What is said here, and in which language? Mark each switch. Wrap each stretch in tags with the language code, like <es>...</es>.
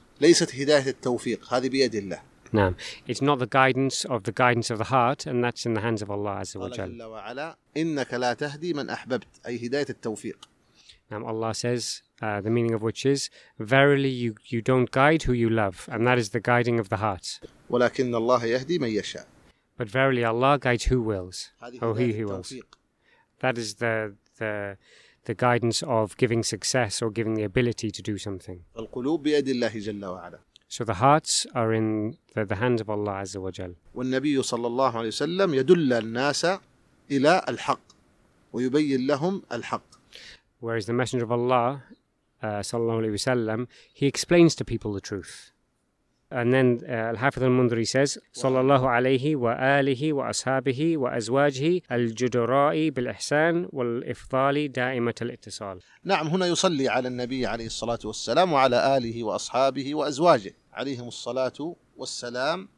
<ar>ليست هداية التوفيق هذه بيد الله. نعم.</ar> <en>It's not the guidance of the heart, and that's in the hands of Allah Azza wa Jalla.</en> <ar>الله وعلا إنك لا تهدي من أحببت أي هداية التوفيق. نعم.</ar> <en>Allah says the meaning of which is verily you don't guide who you love, and that is the guiding of the heart.</en> <ar>ولكن الله يهدي من يشاء.</ar> <en>But verily Allah guides who wills, or he wills. That is the guidance of giving success or giving the ability to do something.</en> <ar>القلوب بيد الله جل وعلا.</ar> <en>So the hearts are in the hands of Allah Azza wa Jal.</en> <ar>والنبي صلى الله عليه وسلم يدل الناس إلى الحق ويبين لهم الحق.</ar> <en>Whereas the Messenger of Allah صلى الله عليه وسلم, he explains to people the truth. And then Al-Hafidh Al-Mundhiri says,</en> <ar>صلى الله عليه وآله وأصحابه وأزواجه الجدراء بالإحسان والإفضال دائمة الاتصال. نعم, هنا يصلي على النبي عليه الصلاة والسلام وعلى آله وأصحابه وأزواجه عليهم الصلاة والسلام.</ar>